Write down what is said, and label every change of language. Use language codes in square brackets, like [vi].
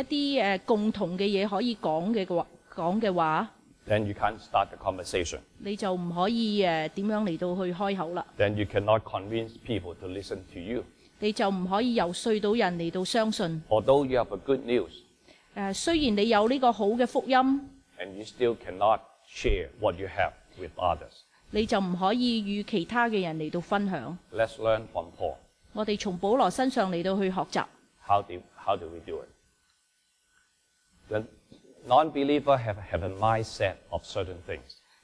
[zh] 如果我们没有一些共同的东西可以讲的话, [en] then you can't start the conversation. [zh] 你就不可以怎样来到去开口了. [en] Then you cannot convince people to listen to you. [zh] 你就不可以游说到人来到相信. [en] Although you have a good news, [zh] 虽然你有这个好的福音, [en] and you still cannot share what you have with others. [zh] 你就不可以与其他的人来分享. [en] Let's learn from Paul. [zh] 我们从保罗身上来学习. [en] How do we do it? The non-believer have a mindset of certain things.